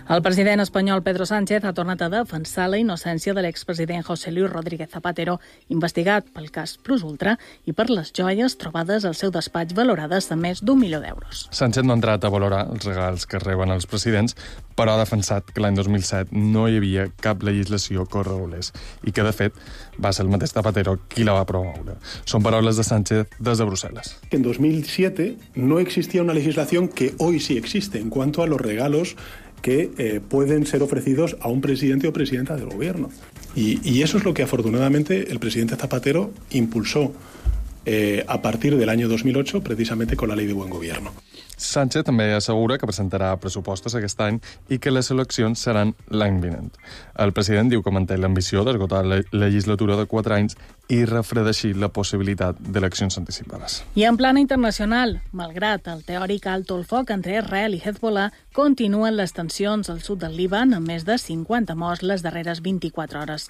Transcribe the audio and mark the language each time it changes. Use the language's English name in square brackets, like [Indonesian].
[Catalan] El president espanyol Pedro Sánchez ha tornat a defensar la innocència de l'expresident José Luis Rodríguez Zapatero, investigat pel cas Plus Ultra i per les joies trobades al seu despatx valorades de més d'un milió d'euros. Sánchez no ha entrat a valorar els regals que reben els presidents, però ha defensat que l'any 2007 no hi havia cap legislació que ho regulés i que, de fet, va ser el mateix Zapatero qui la va promoure. Són paraules de Sánchez des de Brussel·les. [Spanish] En 2007 no existia una legislació que hoy sí existe en cuanto a los regalos que pueden ser ofrecidos a un presidente o presidenta del gobierno. Y eso es lo que, afortunadamente, el presidente Zapatero impulsó a partir del año 2008, precisamente con la Ley de Buen Gobierno. [Catalan] Sánchez també assegura que presentarà pressupostos aquest any i que les eleccions seran l'any vinent. El president diu que manté l'ambició d'esgotar la legislatura de 4 anys i refredeixir la possibilitat d'eleccions anticipades. I en plana internacional, malgrat el teòric alto el foc entre Israel i Hezbollah, continuen les tensions al sud del Líban amb més de 50 morts les darreres 24 hores.